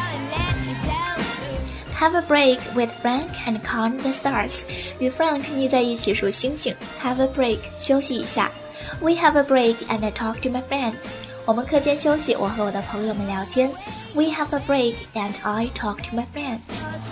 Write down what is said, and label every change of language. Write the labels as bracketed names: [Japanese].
[English] Have a break with Frank and count the stars. [Chinese] 与 Frank 腻在一起数星星。Have a break, 休息一下。 [English] We have a break and talk to my friends. [Chinese] 我们课间休息，我和我的朋友们聊天。 [English] We have a break and I talk to my friends.